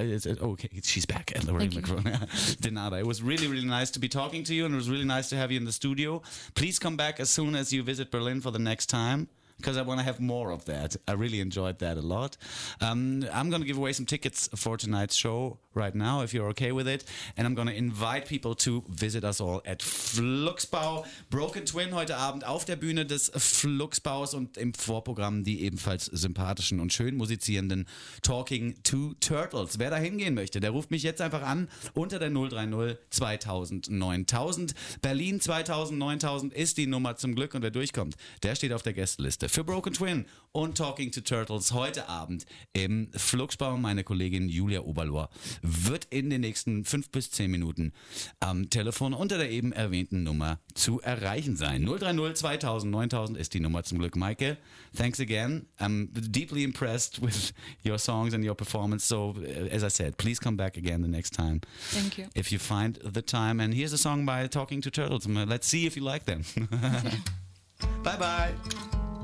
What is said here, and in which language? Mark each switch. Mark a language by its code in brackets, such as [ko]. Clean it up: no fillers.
[en] It's, okay, she's back at the microphone. Denada, it was really, really nice to be talking to you, and it was really nice to have you in the studio. Please come back as soon as you visit Berlin for the next time, because I want to have more of that. I really enjoyed that a lot. I'm going to give away some tickets for tonight's show right now, if you're okay with it. And I'm going to invite people to visit us all at Fluxbau. [de] Broken Twin heute Abend auf der Bühne des Fluxbaus und im Vorprogramm die ebenfalls sympathischen und schön musizierenden Talking Two Turtles. Wer da hingehen möchte, der ruft mich jetzt einfach an unter der 030 2000 9000. Berlin 2000 9000 ist die Nummer zum Glück, und wer durchkommt, der steht auf der Gästeliste für Broken Twin und Talking to Turtles heute Abend im Fluxbau. Meine Kollegin Julia Oberlohr wird in den nächsten 5 bis 10 Minuten am Telefon unter der eben erwähnten Nummer zu erreichen sein. 030 2000 9000 ist die Nummer zum Glück. Maike, thanks again. [en] I'm deeply impressed with your songs and your performance. So, as I said, please come back again the next time. Thank you. If you find the time. And here's a song by Talking to Turtles. Let's see if you like them. Bye-bye.